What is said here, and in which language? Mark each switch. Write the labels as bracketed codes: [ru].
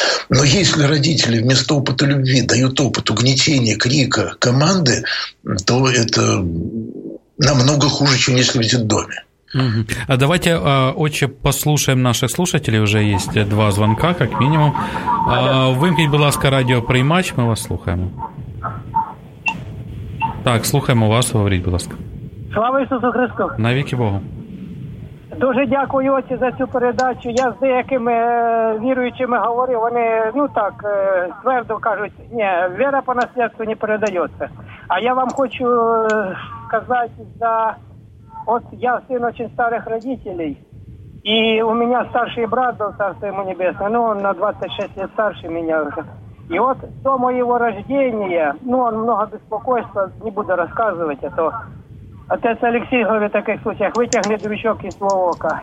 [ru] Но если родители вместо опыта любви дают опыт угнетения, крика, команды, то это намного хуже, чем если в детдоме. А давайте, отче, послушаем наших слушателей. Уже есть два звонка, как минимум. [uk] Вымкнуть бы ласка радиоприймач, [ru] мы вас слушаем. [uk] Так, слухаємо вас, говоріть, будь ласка. Слава Ісусу Христу! Навіки Богу! Дуже дякую, отці, за цю передачу. Я з деякими віруючими говорю, вони, ну так, твердо кажуть, ні, віра по наслідству не передається. А я вам хочу сказати, за, от я син дуже старих родителей, і у мене старший брат, до Царства Йому Небесне, ну, на 26 років старший мене. [ru] И вот до моего рождения, ну, он много беспокойства, не буду рассказывать, а то отец Алексей говорит в таких случаях, вытягни дрючок из своего ока.